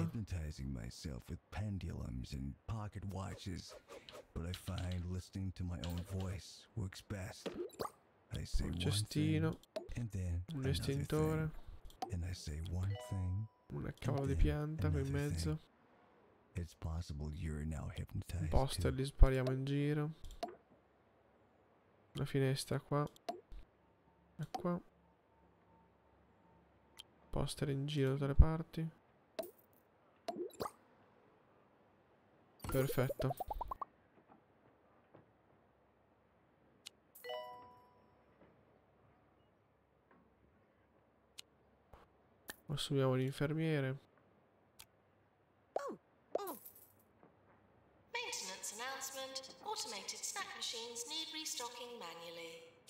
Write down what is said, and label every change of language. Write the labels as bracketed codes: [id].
[en] Hypnotizing myself with pendulums and pocket watches, but I find listening to my own voice works best. [it] Un cestino, un estintore, una cavolo di pianta qui in mezzo, un poster li spariamo in giro, una finestra qua, e qua, poster in giro da tutte le parti, perfetto. Assumiamo l'infermiere. [en] Maintenance announcement. Automated snack machines need restocking manually.